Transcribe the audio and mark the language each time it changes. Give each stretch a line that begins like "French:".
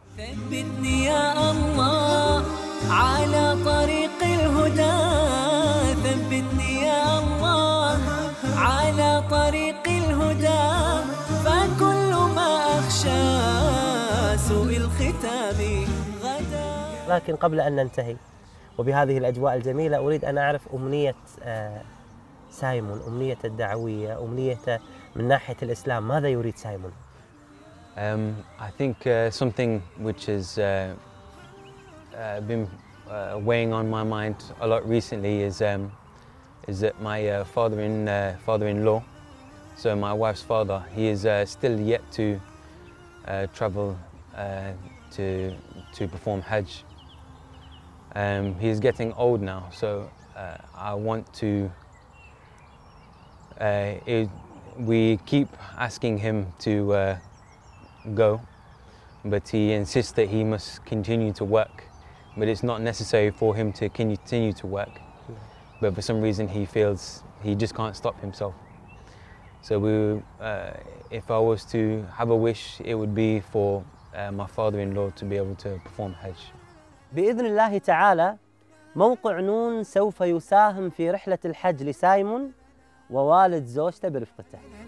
Arabic: ثبتني يا الله على طريق الهدى ثبتني يا الله على طريق الهدى فكل ما أخشى سوء الختام غدا. لكن قبل أن ننتهي وبهذه الأجواء الجميلة أريد أن أعرف أمنية سايمون, أمنية الدعوية, أمنية من ناحية الإسلام, ماذا يريد سايمون؟
English: I think something which has been weighing on my mind a lot recently is that my father-in-law, so my wife's father, he is still yet to travel to perform Hajj. He is getting old now, so I want to. We keep asking him to. Go, but he insists that he must continue to work, but it's not necessary for him to continue to work, but for some reason he feels he just can't stop himself. So we, if I was to have a wish, it would be for my father-in-law to be able to perform Hajj.
Arabic: بإذن الله تعالى موقع نون سوف يساهم في رحلة الحج لسايمون ووالد زوجته برفقته.